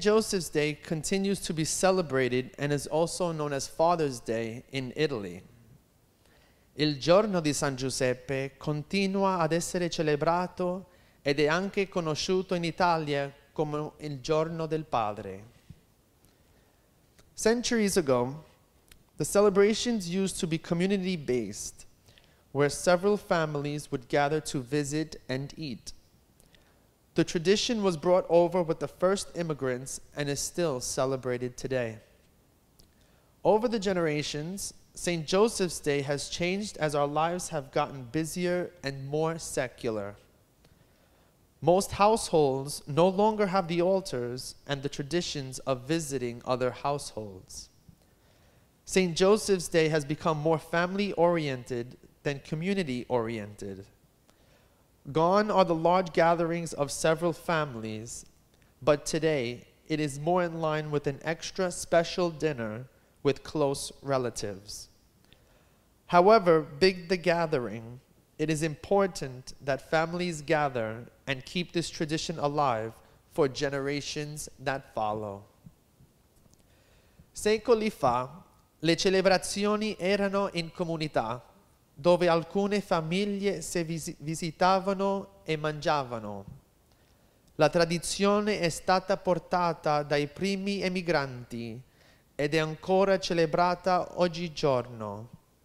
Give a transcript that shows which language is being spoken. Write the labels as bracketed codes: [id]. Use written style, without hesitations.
[en] Joseph's Day continues to be celebrated and is also known as Father's Day in Italy. [it] Il giorno di San Giuseppe continua ad essere celebrato ed è anche conosciuto in Italia come il giorno del padre. [en] Centuries ago, the celebrations used to be community-based, where several families would gather to visit and eat. The tradition was brought over with the first immigrants and is still celebrated today. Over the generations, St. Joseph's Day has changed as our lives have gotten busier and more secular. Most households no longer have the altars and the traditions of visiting other households. St. Joseph's Day has become more family-oriented than community-oriented. Gone are the large gatherings of several families, but today it is more in line with an extra special dinner with close relatives. However big the gathering, it is important that families gather and keep this tradition alive for generations that follow. [it] Secoli fa, le celebrazioni erano in comunità, dove alcune famiglie si visitavano e mangiavano. La tradizione è stata portata dai primi emigranti ed è ancora celebrata oggigiorno.